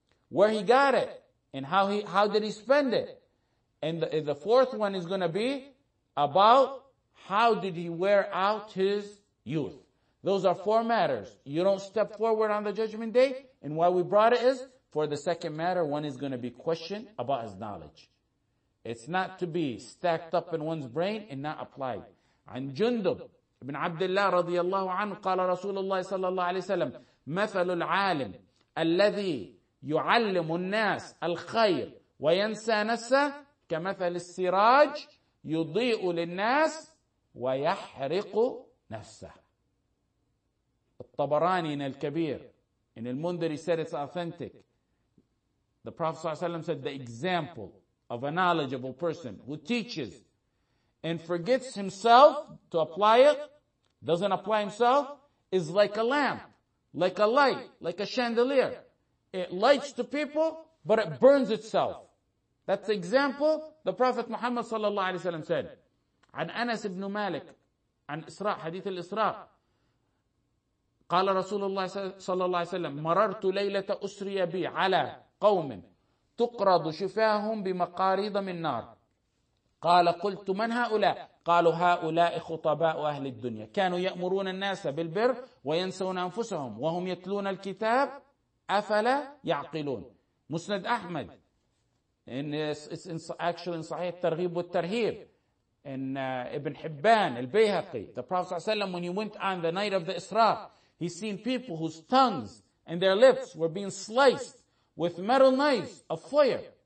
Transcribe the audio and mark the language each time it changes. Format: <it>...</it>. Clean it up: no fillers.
<en>Where he got it and how did he spend it? And the fourth one is going to be about how did he wear out his youth. Those are four matters. You don't step forward on the judgment day. And why we brought it is, for the second matter, one is going to be questioned about his knowledge. It's not to be stacked up in one's brain and not applied.</en> <ar>عن جندب بن عبد الله رضي الله عنه قال رسول الله صلى الله عليه وسلم مثل العالم الذي يعلم الناس الخير وينسى نفسه كمثل السراج يضيء للناس ويحرق نفسه.</ar> <en>الطبراني in الكبير in المنذر, he said it's authentic. The Prophet صلى الله عليه وسلم said the example of a knowledgeable person who teaches and forgets himself to apply it, doesn't apply himself, is like a lamp, like a light, like a chandelier. It lights to people, but it burns itself. That's the example the Prophet Muhammad sallallahu alayhi wa sallam said.</en> <ar>عن أنس بن مالك عن إسراء حديث الإسراء قال رسول الله صلى الله عليه وسلم مررت ليلة أسري بي على قوم تقرض شفاههم بمقاريض من نار قال قلت من هؤلاء قالوا هؤلاء خطباء أهل الدنيا كانوا يأمرون الناس بالبر وينسون أنفسهم وهم يتلون الكتاب أفلا يعقلون.</ar> <en>مسند أحمد in actually in صحيح الترغيب والترهيب in Ibn Hibban al-Bayhaqi, the Prophet ﷺ, when he went on the night of the Isra, he seen people whose tongues and their lips were being sliced with metal knives of fire.</en>